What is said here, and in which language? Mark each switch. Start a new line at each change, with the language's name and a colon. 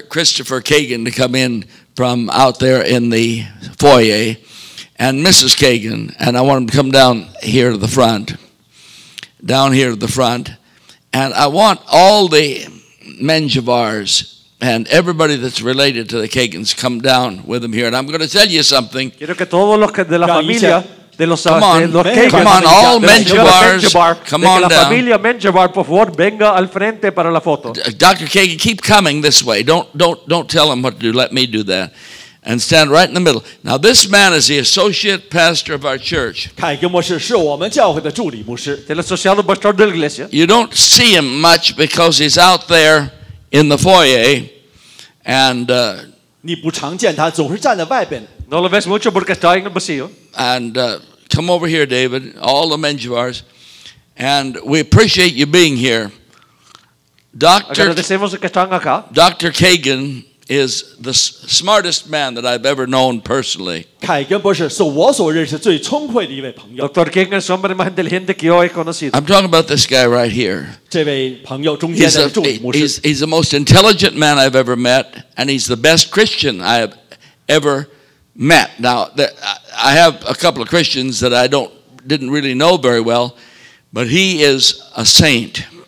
English: Christopher Kagan to come in from out there in the foyer, and Mrs. Kagan, and I want him to come down here to the front, and I want all the Menjivars and everybody that's related to the Kagans come down with him here, and I'm going to tell you something.
Spanish: Quiero que todos los que de la familia.
English: Come on, all Menjivars, come on down.
Spanish: La familia Menjivar, por favor, venga al frente para la foto.
English: Dr. Kagan, keep coming this way. Don't tell him what to do. Let me do that. And stand right in the middle. Now, this man is the associate pastor of our church. You don't see him much because he's out there in the foyer. And
Spanish: no lo ves mucho porque está en el pasillo.
English: And come over here, David, all the Menjivars. And we appreciate you being here. Dr. Kagan is the smartest man that I've ever known personally. Dr.
Spanish: Kagan es hombre más inteligente que yo he conocido.
English: I'm talking about this guy right here. He's the most intelligent man I've ever met, and he's the best Christian I have ever met. Now, I have a couple of Christians that I didn't really know very well, but he is a saint.